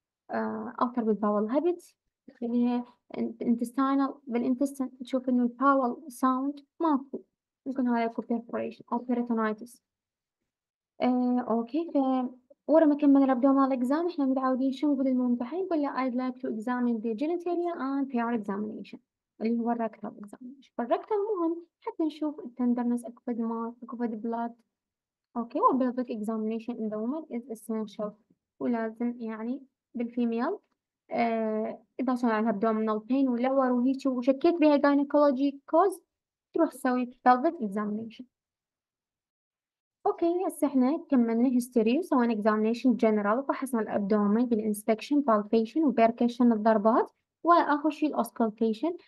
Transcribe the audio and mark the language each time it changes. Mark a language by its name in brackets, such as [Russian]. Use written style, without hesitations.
[Arabic] أوتر بالباول باول هابت، تخليها انتستاينال بالانتستن، تشوف إنه الباول ساوند ماكو، ممكن هذا أكو بيربريشن أو بيريتونايتس. أوكي، ورا ما كملنا الابدومال اكزام احنا متعودين شو نقول للمنتحين، نقول له [English] I'd like to examine the genitalia and PR examination [Arabic] اللي هو الركتال examination. فالركتال مهم حتى نشوف التندرنس، اكفد مار، اكفد بلاد. [English] okay, والبلفيك examination in the woman is essential، [Arabic] ولازم يعني بالفيميل. اذا صار عندها abdominal pain ولور وهيك وشكيت بها gynecology cause، تروح تسوي pelvic examination. اوكي، هسه احنا كملنا هيستوري وسوينا اكزامينيشن جنرال وفحصنا الابدومين بالانسبكشن بالبيشن وبيركشن الضربات، واخر شيء الاوسكلتيشن.